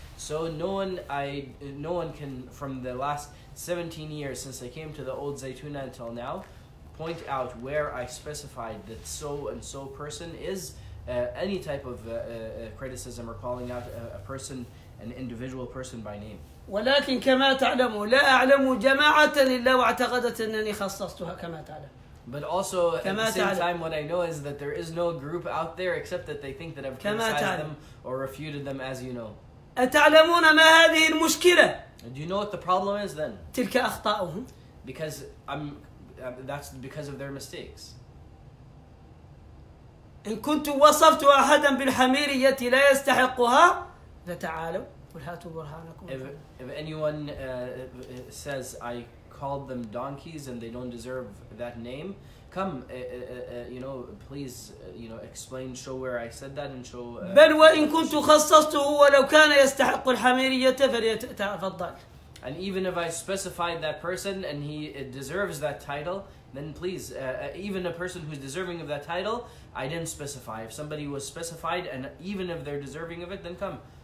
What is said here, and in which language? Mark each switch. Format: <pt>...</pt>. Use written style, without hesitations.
<en>So no one can, from the last 17 years since I came to the old Zaytuna until now, point out where I specified that so and so person is. Any type of criticism or calling out a person, an individual person by name.</en> <ar>ولكن كما تعلم لا أعلم جماعة إلا واعتقدت أنني خصصتها كما تعلم.</ar> <en>But also at the same time, what I know is that there is no group out there except that they think that I've criticized them or refuted them, as you know.</en> <ar>أتعلمون ما هذه المشكلة؟</ar> <en>Do you know what the problem is then?</en> <ar>تلك أخطاؤهم.</ar> <en>Because that's because of their mistakes.</en> <ar>إن كنت وصفت أحدا بالحميرية التي لا يستحقها لتعالوا وهاتوا برهانكم.</ar> <en>If anyone says I called them donkeys and they don't deserve that name, come, you know, please, you know, explain, show where I said that and show.</en> <ar>بل وإن كنت خصصته ولو كان يستحق الحميرية فليتفضل.</ar> <en>And even if I specified that person and he deserves that title, then please, even a person who's deserving of that title, I didn't specify. If somebody was specified and even if they're deserving of it, then come.</en>